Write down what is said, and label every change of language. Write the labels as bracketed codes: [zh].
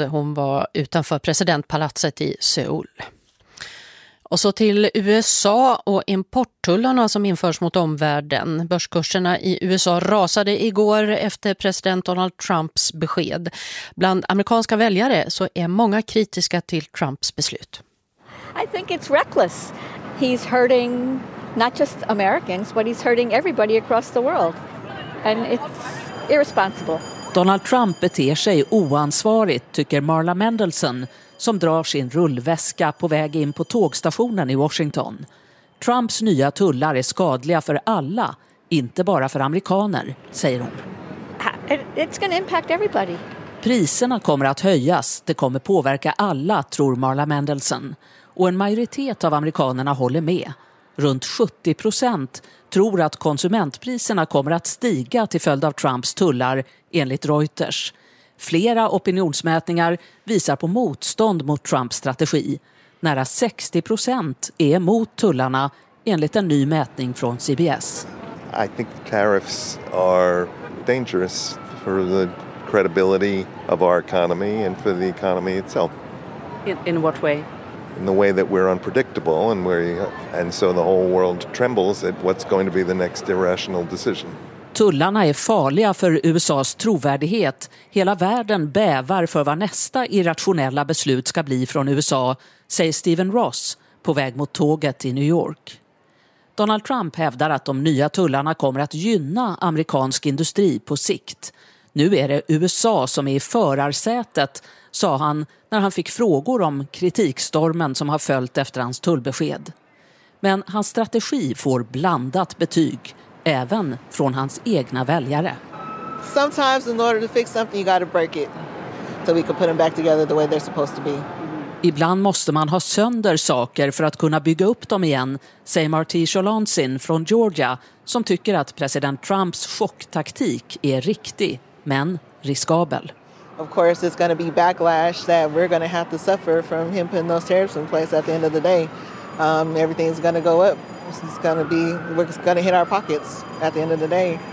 [sv] Hon var utanför presidentpalatset i Seoul. Och så till USA och importtullarna som införs mot omvärlden. Börskurserna i USA rasade igår efter president Donald Trumps besked. Bland amerikanska väljare så är många kritiska till Trumps beslut. [en] I think it's reckless. He's hurting not just Americans, but he's hurting everybody across the world. And it's irresponsible. [sv] Donald Trump beter sig oansvarigt, tycker Marla Mendelsohn, som drar sin rullväska på väg in på tågstationen i Washington. Trumps nya tullar är skadliga för alla, inte bara för amerikaner, säger hon. [en] It's gonna impact everybody. [sv] Priserna kommer att höjas, det kommer påverka alla, tror Marla Mendelsohn. Och en majoritet av amerikanerna håller med. Runt 70% tror att konsumentpriserna kommer att stiga till följd av Trumps tullar, enligt Reuters. Flera opinionsmätningar visar på motstånd mot Trumps strategi. Nära 60% är mot tullarna, enligt en ny mätning från CBS. [en] I think tariffs are dangerous for the credibility of our economy and for the economy itself. In what way? in the way that we're unpredictable, and so the whole world trembles at what's going to be the next irrational decision. [sv] Tullarna är farliga för USA:s trovärdighet. Hela världen bävar för vad nästa irrationella beslut ska bli från USA, säger Stephen Ross på väg mot tåget i New York. Donald Trump hävdar att de nya tullarna kommer att gynna amerikansk industri på sikt. Nu är det USA som är i förarsätet, sa han när han fick frågor om kritikstormen som har följt efter hans tullbesked. Men hans strategi får blandat betyg, även från hans egna väljare. [en] Sometimes in order to fix something you got to break it so we can put them back together the way they're supposed to be. [sv] Ibland måste man ha sönder saker för att kunna bygga upp dem igen, säger Marty Scholansin från Georgia, som tycker att president Trumps chocktaktik är riktig, men riskabel. [en] Of course it's going to be backlash that we're going to have to suffer from him putting those tariffs in place at the end of the day. Everything's going to go up. We're going to hit our pockets at the end of the day.